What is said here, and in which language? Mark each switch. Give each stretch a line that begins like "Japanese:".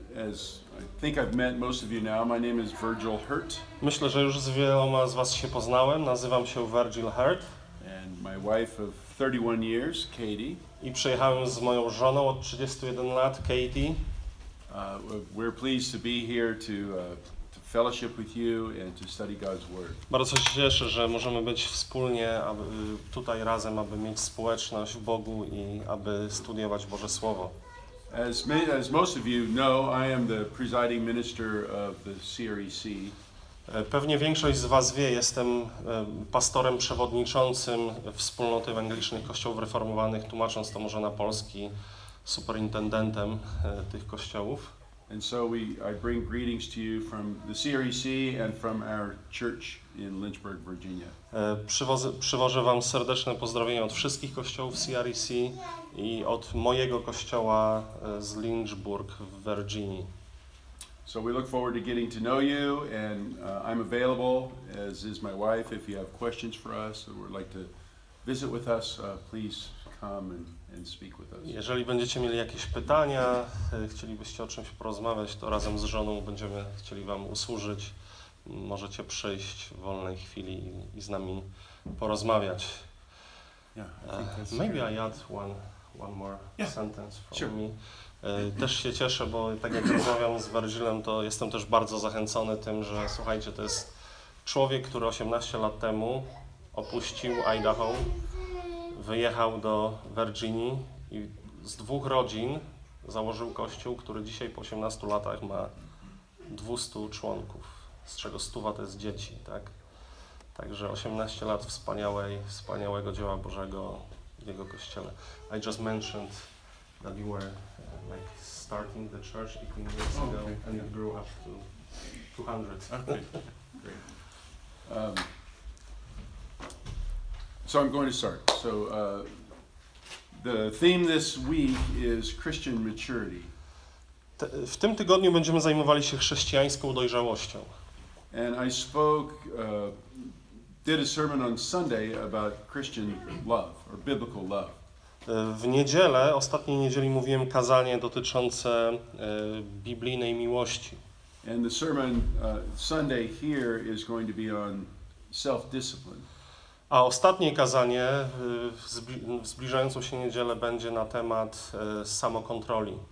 English: As I think I've met most of you now, my name is Virgil Hurt.
Polish: Myślę, że już z wieloma z was się poznałem. Nazywam się Virgil Hurt.
English: And my wife of 31 years, Katie.
Polish: I przyjechałem z moją żoną od 31 lat, Katie.
English: We're pleased to be here to fellowship with you and to study God's word.
Polish: Bardzo się cieszę, że możemy być wspólnie, aby tutaj razem, aby mieć społeczność w Bogu i aby studiować Boże słowo.
English: As most of you know, I am the presiding minister of the CREC.
Polish: Pewnie większość z was wie, jestem pastorem przewodniczącym Wspólnoty Ewangelicznych Kościołów Reformowanych, tłumacząc to może na polski, superintendentem tych kościołów.
English: And so I bring greetings to you from the CREC and from our church in Lynchburg, Virginia.
Polish: Przywożę wam serdeczne pozdrowienia od wszystkich kościołów CREC i od mojego kościoła z Lynchburg w Virginii.
English: So we look forward to getting to know you, and I'm available, as is my wife, if you have questions for us or would like to visit with us, please come and speak with us.
Polish: Jeżeli będziecie mieli jakieś pytania, chcielibyście o czymś porozmawiać, to razem z żoną będziemy chcieli wam usłużyć. Możecie przyjść w wolnej chwili i z nami porozmawiać.
English: Yeah, maybe I add one more sentence for me.
Polish: Też się cieszę, bo tak jak rozmawiam z Virgilem, to jestem też bardzo zachęcony tym, że słuchajcie, to jest człowiek, który 18 lat temu opuścił Idaho, wyjechał do Virginii i z dwóch rodzin założył kościół, który dzisiaj po 18 latach ma 200 członków, z czego 100 to jest dzieci, tak? Także 18 lat wspaniałego dzieła Bożego w jego kościele.
English: I just mentioned that you were starting the church 18 years ago, and it grew up to 200. Okay, great. So I'm going to start. So the theme this week is Christian maturity.
Polish: W tym tygodniu będziemy zajmowali się chrześcijańską dojrzałością.
English: And I spoke, did a sermon on Sunday about Christian love or biblical love.
Polish: W niedzielę, ostatniej niedzieli mówiłem kazanie dotyczące biblijnej miłości.
English: And the sermon Sunday here is going to be on self-discipline.
Polish: A ostatnie kazanie w zbliżającą się niedzielę będzie na temat samokontroli.